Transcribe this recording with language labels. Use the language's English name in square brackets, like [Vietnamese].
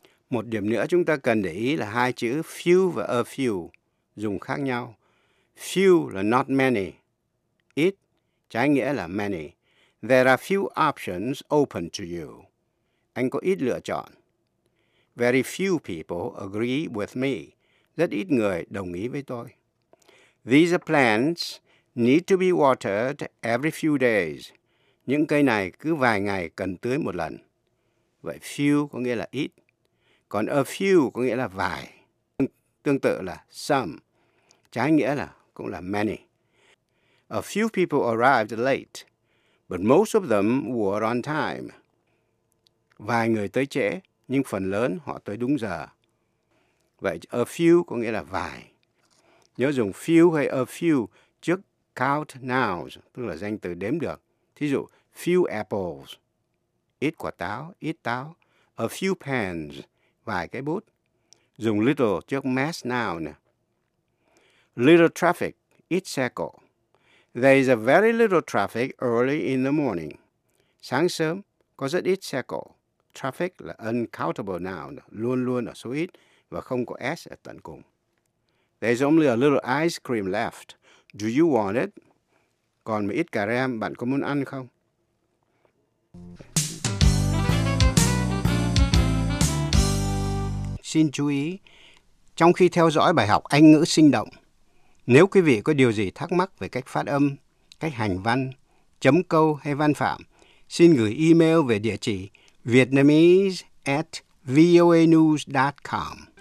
[Vietnamese] Một điểm nữa chúng ta cần để ý là hai chữ few và a few dùng khác nhau. Few là [English] not many, [Vietnamese] ít, trái nghĩa là many. [English] There are few options open to you. [Vietnamese] Anh có ít lựa chọn. [English] Very few people agree with me. [Vietnamese] Rất ít người đồng ý với tôi. [English] These plants need to be watered every few days. [Vietnamese] Những cây này cứ vài ngày cần tưới một lần. Vậy few có nghĩa là ít. Còn a few có nghĩa là vài. Tương tự là some. Trái nghĩa là cũng là many. [English] A few people arrived late, but most of them were on time. [Vietnamese] Vài người tới trễ, nhưng phần lớn họ tới đúng giờ. Vậy a few có nghĩa là vài. Nhớ dùng few hay a few trước [English] count nouns, [Vietnamese] tức là danh từ đếm được. Thí dụ, [English] few apples, [Vietnamese] ít quả táo, ít táo. [English] A few pens, [Vietnamese] vài cái bút. Dùng little trước mass noun nè. [English] Little traffic, [Vietnamese] ít xe cộ. [English] There is a very little traffic early in the morning. [Vietnamese] Sáng sớm, có rất ít xe cộ. Traffic là [English] uncountable noun, [Vietnamese] luôn luôn ở số ít và không có S ở tận cùng. [English] There is only a little ice cream left. Do you want it? [Vietnamese] Còn một ít cà rem, bạn có muốn ăn không? Xin chú ý, trong khi theo dõi bài học Anh ngữ sinh động, nếu quý vị có điều gì thắc mắc về cách phát âm, cách hành văn, chấm câu hay văn phạm, xin gửi email về địa chỉ vietnamese@voanews.com.